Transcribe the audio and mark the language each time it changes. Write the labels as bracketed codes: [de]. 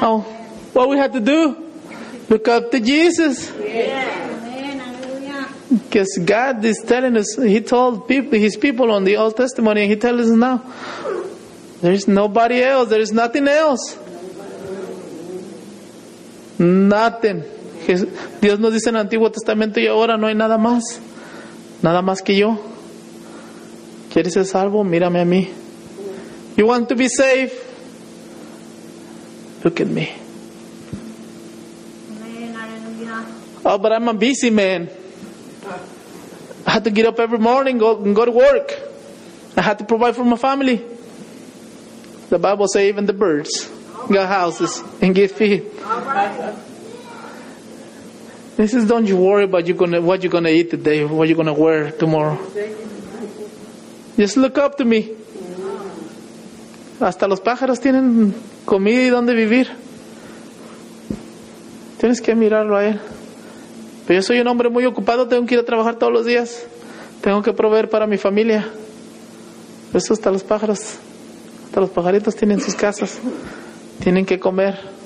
[en] Oh, what we have to do? Look up to Jesus. Because God is telling us, He told people, His people on the Old Testament, and He tells us now, there is nobody else, there is nothing else. Nothing. [es] Dios nos dice en el Antiguo Testamento y ahora no hay nada más. Nada más que yo. ¿Quieres ser salvo? Mírame a mí. [en] You want to be safe? Look at me. Oh, but I'm a busy man. I have to get up every morning and go to work. I have to provide for my family. The Bible says even the birds got houses and get feed. This is, don't you worry about what you're going to eat today, what you're going to wear tomorrow. Just look up to me. [es] Hasta los pájaros tienen comida y donde vivir. Tienes que mirarlo a él. Pero yo soy un hombre muy ocupado, tengo que ir a trabajar todos los días. Tengo que proveer para mi familia. Eso hasta los pájaros, hasta los pajaritos tienen sus casas. Tienen que comer.